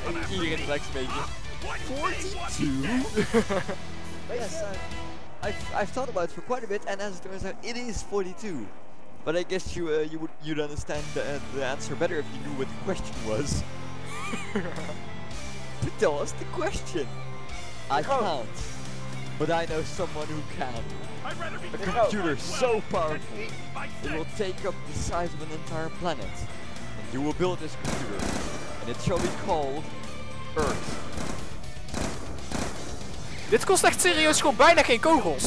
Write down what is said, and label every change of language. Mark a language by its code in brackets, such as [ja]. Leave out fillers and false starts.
[nl] Iedereen lijkt een beetje. [en] 42? Yes, I've thought about it for quite a bit, and as it turns out, it is 42. But I guess you you'd understand the answer better if you knew what the question was. Tell us the question. I can't. But I know someone who can. I'd rather be a computer so powerful, it will take up the size of an entire planet. And you will build this computer, and it shall be called Earth. [nl] Dit kost echt serieus gewoon bijna geen kogels.